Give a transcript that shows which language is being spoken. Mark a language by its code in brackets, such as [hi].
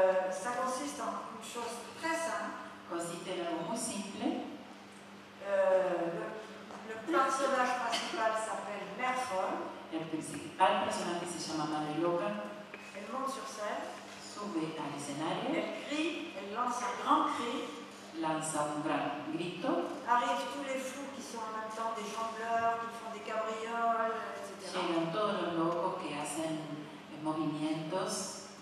[fr] Ça consiste en une chose très simple. [es] Consiste en algo muy simple. [fr] Le personnage principal s'appelle Mère Folle. [es] El principal personaje se llama Madre Loca. [fr] Elle monte sur scène. [es] Sube al escenario. [fr] Elle crie, elle lance un grand cri. [es] Lanza un gran grito. [fr] Arrivent tous les fous qui sont en même temps des jongleurs, qui font des cabrioles, etc. [es] Llegan todos los locos que hacen movimientos.